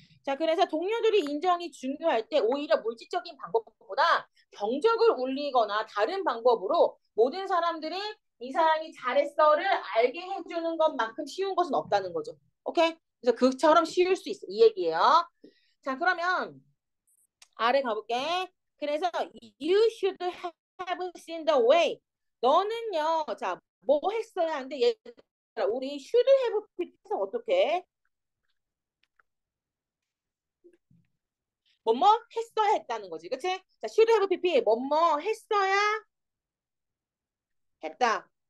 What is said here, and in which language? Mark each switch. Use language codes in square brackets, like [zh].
[ko] 자, 그래서 동료들이 인정이 중요할 때 오히려 물질적인 방법보다 경적을 울리거나 다른 방법으로 모든 사람들이 이 사람이 잘했어를 알게 해주는 것만큼 쉬운 것은 없다는 거죠. 오케이? 그래서 그처럼 쉬울 수 있어. 이 얘기예요. 자, 그러면 아래 가볼게. [en] 그래서 you should have seen the way. [ko] 너는요, 자, 뭐 했어야 하는데 얘들아, 우리 should have 해서 어떻게? 뭐뭐 했어야 했다는 거지, 그치? 자, should have PP 뭐뭐 했어야 했다.